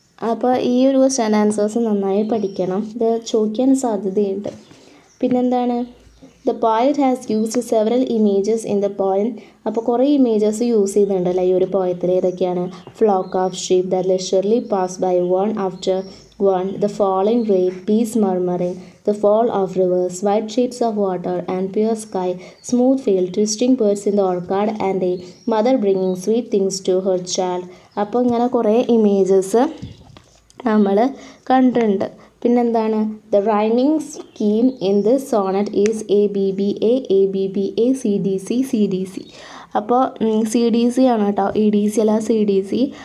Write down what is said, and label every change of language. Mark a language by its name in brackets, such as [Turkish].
[Malayalam] അപ്പോൾ ഈ ഒരു ക്വസ്റ്റ്യൻ ആൻസേഴ്സ് നന്നായി പഠിക്കണം, ഇത് ചോദിക്കാൻ സാധ്യതയുണ്ട്. പിന്നെന്താണ്, [English] The poet has used several images in the poem. [Malayalam] അപ്പോൾ കുറേ ഇമേജസ് യൂസ് ചെയ്യുന്നുണ്ടല്ലോ ഈ ഒരു പോയത്തിൽ. ഏതൊക്കെയാണ്? [English] Flock of sheep the leisurely pass by one after 1. The falling rain, peace murmuring, the fall of rivers, white sheets of water and pure sky, smooth field, twisting birds in the orchard and a mother bringing sweet things to her child. [Malayalam] അപ്പോൾ ഇങ്ങനെ കുറേ images നമ്മൾ കണ്ടിട്ടുണ്ട്. പിന്നെന്താണ്, [English] The rhyming scheme in the sonnet is A B B A C D C C D C. [Malayalam] അപ്പോൾ C D C ആണ് കേട്ടോ, E D C അല്ല സി ഡി സി.